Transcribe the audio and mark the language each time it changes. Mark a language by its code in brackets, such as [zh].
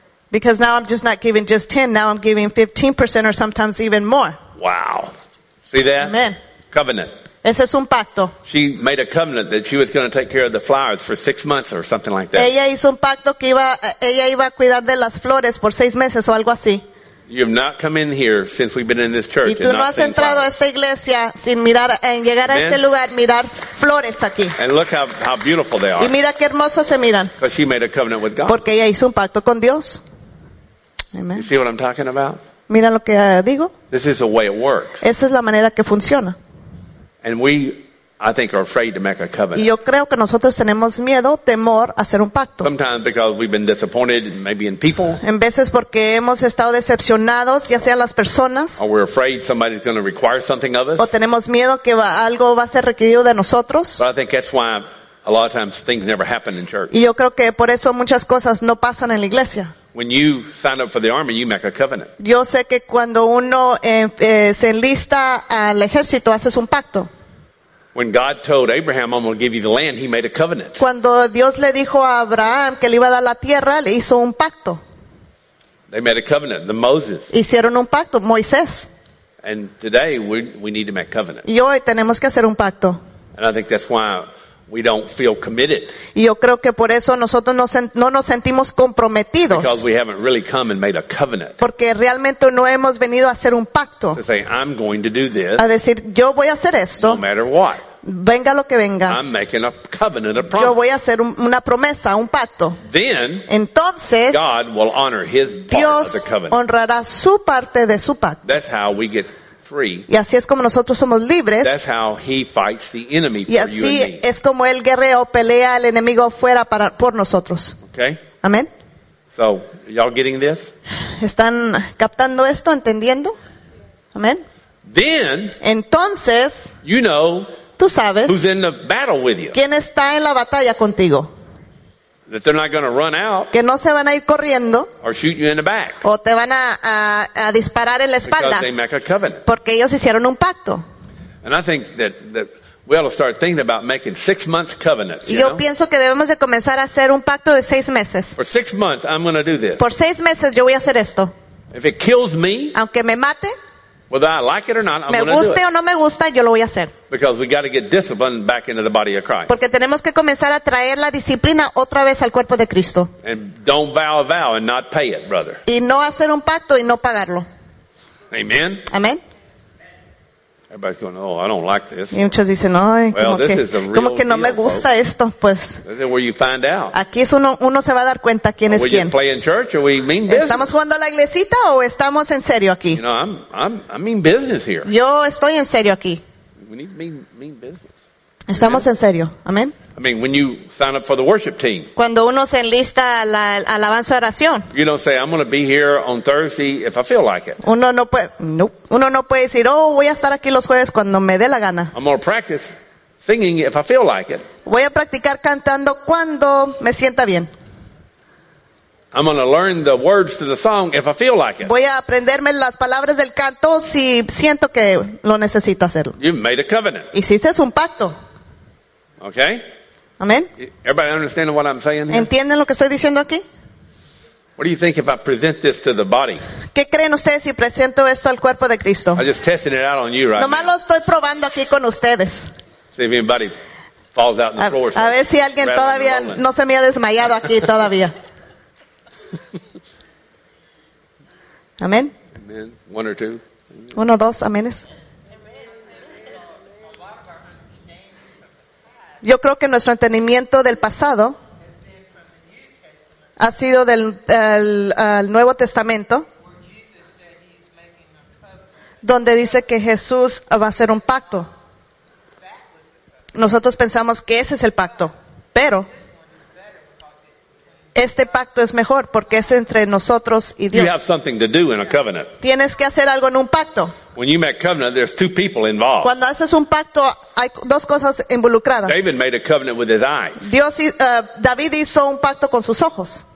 [en] Because now I'm just not giving just 10, now I'm giving 15% or sometimes even more. Wow. See that? Amen. Covenant. [es] Ese es un pacto. [en] She made a covenant that she was going to take care of the flowers for 6 months or something like that. [es] Ella hizo un pacto que ella iba a cuidar de las flores por 6 meses o algo así. [en] You have not come in here since we've been in this church. [es] Y tú no has entrado a esta iglesia sin mirar, en llegar a este lugar, mirar flores aquí. [en] And look how beautiful they are. [es] Y mira qué hermosas se miran. [en] Because she made a covenant with God. [es] Porque ella hizo un pacto con Dios. [en] Amen. You see what I'm talking about? [es] Mira lo que digo. [en] This is the way it works. [es] Esa es la manera que funciona. [en] And we, I think, are afraid to make a covenant. [es] Y yo creo que nosotros tenemos miedo, temor a hacer un pacto. [en] Sometimes because we've been disappointed, maybe in people. [es] En veces porque hemos estado decepcionados, ya sea las personas. [en] Or we're afraid somebody's going to require something of us. [es] O tenemos miedo que algo va a ser requerido de nosotros. [en] But I think that's why a lot of times things never happen in church. [es] Y yo creo que por eso muchas cosas no pasan en la iglesia. [en] When you sign up for the army, you make a covenant. [es] Yo sé que cuando uno se enlista al ejército, haces un pacto. [en] When God told Abraham, I'm going to give you the land, he made a covenant. [es] Cuando Dios le dijo a Abraham que le iba a dar la tierra, le hizo un pacto. [en] They made a covenant, the Moses. [es] Hicieron un pacto, Moisés. [en] And today we need to make covenant. [es] Y hoy tenemos que hacer un pacto. [en] And I think that's why we don't feel committed. [es] Y yo creo que por eso nosotros no nos sentimos comprometidos. [en] Because we haven't really come and made a covenant. [es] Porque realmente no hemos venido a hacer un pacto. [en] To say, I'm going to do this. [es] A decir, yo voy a hacer esto. [en] No matter what. [es] venga lo que venga, [en] I'm making a covenant, a promise. [es] Yo voy a hacer una promesa, un pacto. [en] Then, [es] entonces, [en] God will honor his part [es] Dios [en] of the covenant. [es] Honrará su parte de su pacto. [en] That's how we get free. [es] Y así es como nosotros somos libres. [en] That's how he fights the enemy [es] y así [en] for you and me. [es] Es como el guerrero pelea al enemigo fuera para, por nosotros. [en] Okay. [es] Amén. [en] So, y'all getting this? [es] ¿Están captando esto, entendiendo? Amén. [en] Then, [es] entonces, [en] you know, [es] tú sabes [en] who's in the battle with you. [es] ¿Quién está en la batalla contigo? [en] That they're not going to run out, [es] que no se van a ir corriendo, [en] or shoot you in the back, [es] o te van a disparar en la espalda, [en] because they make a covenant. [es] Porque ellos hicieron un pacto. [en] And I think that we ought to start thinking about making 6 months covenants. [es] Y yo pienso que debemos de comenzar a hacer un pacto de 6 meses. [en] For 6 months, I'm going to do this. [es] Por 6 meses yo voy a hacer esto. [en] If it kills me, [es] aunque me mate. [en] Whether I like it or not, I'm [es] me guste o no me gusta, yo lo voy a hacer. [en] Because we got to get discipline back into the body of Christ. [es] Porque tenemos que comenzar a traer la disciplina otra vez al cuerpo de Cristo. [en] And don't vow a vow and not pay it, brother. [es] Y no hacer un pacto y no pagarlo. [en] Amen. [es] Amen. [en] Everybody's going, oh, I don't like this. [es] Y muchos dicen, ay, como que no me gusta esto, pues. [en] This is where you find out. [es] Aquí es uno se va a dar cuenta quién es quién. [en] Are we playing church or we mean business? [es] ¿Estamos jugando a la iglesita o estamos en serio aquí? [en] You know, I mean business here. [es] Yo estoy en serio aquí. [en] We need to mean business. [es] Estamos en serio. Amén. [en] I mean, when you sign up for the worship team. [es] Cuando uno se enlista a la alabanza de oración. [en] You don't say, I'm going to be here on Thursday if I feel like it. [es] Uno no puede decir, oh, voy a estar aquí los jueves cuando me dé la gana. [en] I'm going to practice singing if I feel like it. [es] Voy a practicar cantando cuando me sienta bien. [en] I'm going to learn the words to the song if I feel like it. [es] Voy a aprenderme las palabras del canto si siento que lo necesito hacerlo. [en] You made a covenant. [es] Hiciste un pacto. [en] Okay. [es] Amen. [en] Everybody understanding what I'm saying here? [es] ¿Entienden lo que estoy diciendo aquí? [en] What do you think if I present this to the body? [es] ¿Qué creen ustedes si presento esto al cuerpo de Cristo? [en] I'm just testing it out on you right [es] now. Nomás lo estoy probando aquí con ustedes. [en] See if anybody falls out on the floor. [es] A ver si alguien todavía no se me ha desmayado aquí todavía. [en] Amen. Amen. One or two. [es] Uno, dos, amenes. Yo creo que nuestro entendimiento del pasado ha sido del al Nuevo Testamento, donde dice que Jesús va a hacer un pacto. Nosotros pensamos que ese es el pacto, pero este pacto es mejor porque es entre nosotros y Dios. [en] You have something to do in a covenant. [es] Tienes que hacer algo en un pacto. [en] When you make covenant, there's two people involved. [es] Cuando haces un pacto, hay dos cosas involucradas. [en] David made a covenant with his eyes. [es] Dios, David hizo un pacto con sus ojos.